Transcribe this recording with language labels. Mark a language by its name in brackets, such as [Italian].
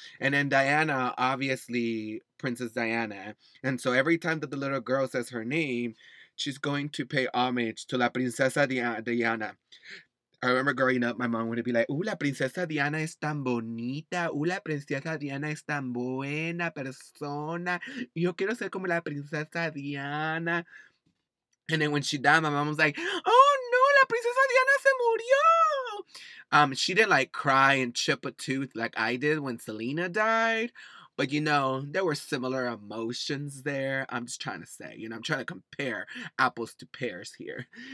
[English] And then Diana, obviously Princess Diana. And so every time that the little girl says her name, she's going to pay homage to La Princesa Diana. I remember growing up, my mom would be like, "Ooh, La Princesa Diana [Spanish] es tan bonita. Ooh, La Princesa Diana es tan buena persona. Yo quiero ser como La Princesa Diana." [English] And then when she died, my mom was like, "Oh no, La Princesa Diana [Spanish] se murió." [English] She didn't like cry and chip a tooth like I did when Selena died. But, you know, there were similar emotions there. I'm just trying to say, you know, I'm trying to compare apples to pears here.